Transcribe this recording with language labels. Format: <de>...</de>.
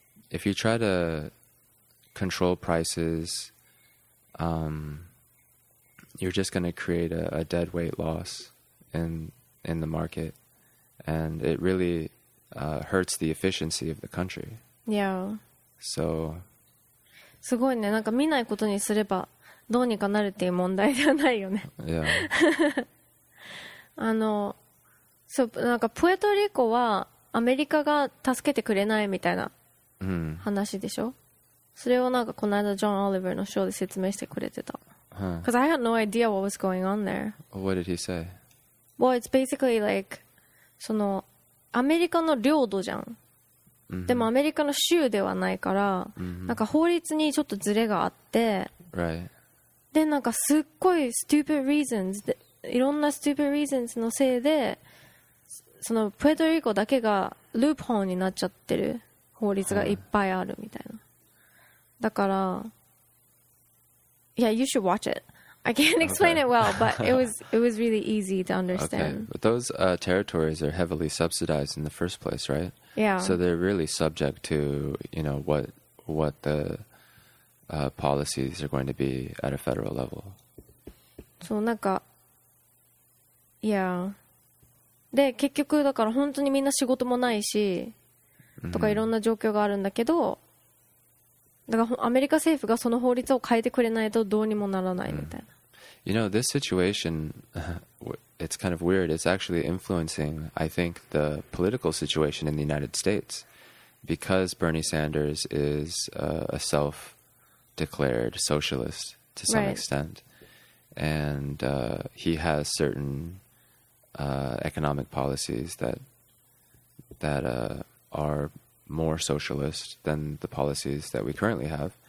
<en>If you try to control prices, you're just going to create a dead weight loss in the market. And it really hurts the efficiency of the country. Yeah. So.</en> <ja>すごいね。なんか見ないことにすればどうにかなるっていう問題ではないよね。</ja> <en>Yeah.</en> <ja>あの、そう、なんかプエトリコはアメリカが助けてくれないみたいな話でしょ、それをなんかこの間ジョン・オリバーのショーで説明してくれてた。</ja> <en>Because I had no idea what was going on there. What did he say? Well, it's basically like,</en> <ja>そのアメリカの領土じゃん。Mm-hmm. でもアメリカの州ではないから、mm-hmm. なんか法律にちょっとズレがあって、</ja> <en>right.</en> <ja>でなんかすっごい</ja> <en>stupid reasons</en> <ja>で、いろんな stupid reasons のせいで、そのプエトリコだけがループホーンになっちゃってる、法律がいっぱいあるみたいな。だから、</ja> <en>yeah, you should watch it. I can't explain it well, but it was really easy to understand. Okay, but those territories are heavily subsidized in the first place, right? Yeah. So they're really subject to, you know, what the policies are going to be at a federal level.</en> <ja>そう、なんか、yeah. で、結局だから本当にみんな仕事もないし、とかいろんな状況があるんだけど、だからアメリカ政府がその法律を変えてくれないとどうにもならないみたいな。</ja> <en>You know, this situation, it's kind of weird. It's actually influencing, I think, the political situation in the United States, because Bernie Sanders is a self-declared socialist to some extent, and he has certain economic policies that are more socialist than the policies that we currently have.</en>